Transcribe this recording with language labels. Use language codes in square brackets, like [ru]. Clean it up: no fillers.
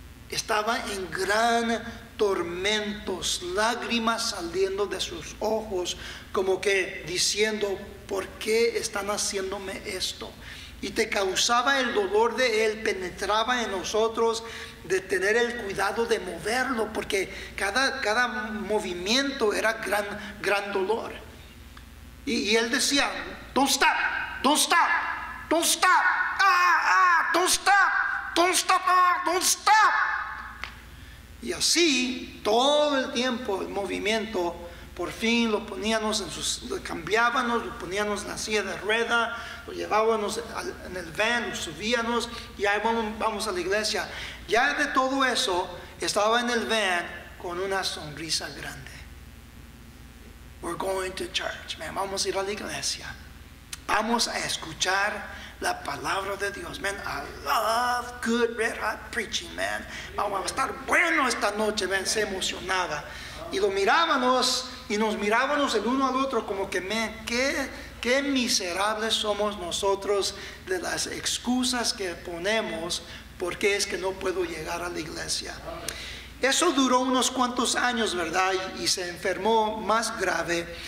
[es] Estaba en gran tormento, lágrimas saliendo de sus ojos, como que diciendo: ¿por qué están haciéndome esto? Y te causaba el dolor de él, penetraba en nosotros de tener el cuidado de moverlo, porque cada movimiento era gran dolor. Y él decía: [en] don't stop, don't stop, don't stop, ah, ah, don't stop, don't stop, ah, don't stop. [es] Y así todo el tiempo el movimiento. Por fin lo poníamos en sus, lo cambiábamos, lo poníamos en la silla de rueda, lo llevábamos en el van, lo subíamos y ahí vamos a la iglesia. Ya de todo eso, estaba en el van con una sonrisa grande. [en] We're going to church, man. [es] Vamos a ir a la iglesia. Vamos a escuchar la palabra de Dios, man. [en] I love good red hot preaching, man. [es] Vamos a estar bueno esta noche, man. Se emocionaba. Y lo mirábamos y nos mirábamos el uno al otro como que: man, qué miserables somos nosotros de las excusas que ponemos porque es que no puedo llegar a la iglesia. Eso duró unos cuantos años, ¿verdad? Y se enfermó más grave.